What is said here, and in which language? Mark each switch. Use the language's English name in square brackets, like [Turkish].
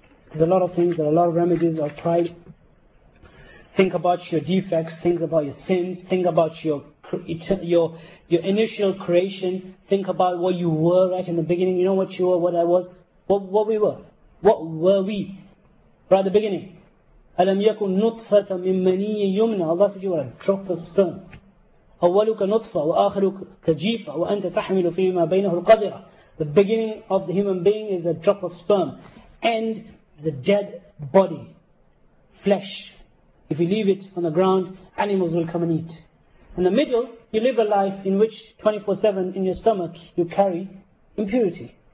[English] There's a lot of things, there are a lot of remedies of pride. Think about your defects, think about your sins, think about your initial creation. Think about what you were right in the beginning. You know what you were, what I was? What we were? What were we? Right at the beginning. [Arabic] أَلَمْ يَكُنْ نُطْفَةً مِنْ مَنِيٍّ يُمْنَى [English] Allah said you were a drop of sperm. [Arabic] أولك نطفة وآخرك كجيفة وأنت تحمل فيما بينه القذرة. [English] The beginning of the human being is a drop of sperm, and the dead body, flesh. If you leave it on the ground, animals will come and eat. In the middle, you live a life in which 24/7 in your stomach you carry impurity.